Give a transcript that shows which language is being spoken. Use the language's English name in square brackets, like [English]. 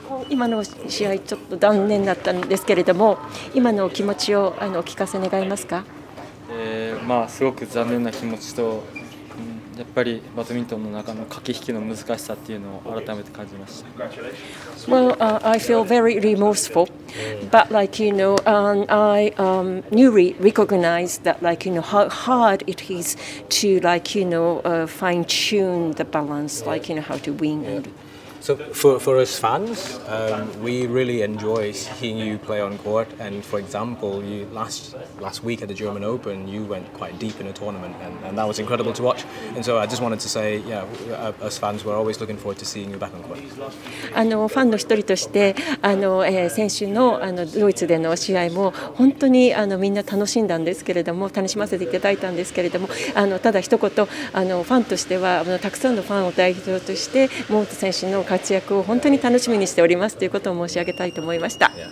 [Japanese] 今の試合ちょっと残念だったんですけれども、今の気持ちをお聞かせ願いますか？まあすごく残念な気持ちと、やっぱりバドミントンの中の駆け引きの難しさっていうのを改めて感じました。 [English] Well, I feel very remorseful, but like you know, I newly recognize that like you know how hard it is to like you know fine tune the balance, like you know how to win and. So for us fans, we really enjoy seeing you play on court. And for example, you last week at the German Open, you went quite deep in a tournament, and that was incredible to watch. And so I just wanted to say, yeah, us fans, we're always looking forward to seeing you back on court. [Japanese] ファンの一人として、先週のドイツでの試合も本当にみんな楽しんだんですけれども、楽しませていただいたんですけれども、ただ一言、ファンとしてはたくさんのファンを代表として、モモト選手の活躍を本当に楽しみにしておりますということを申し上げたいと思いました。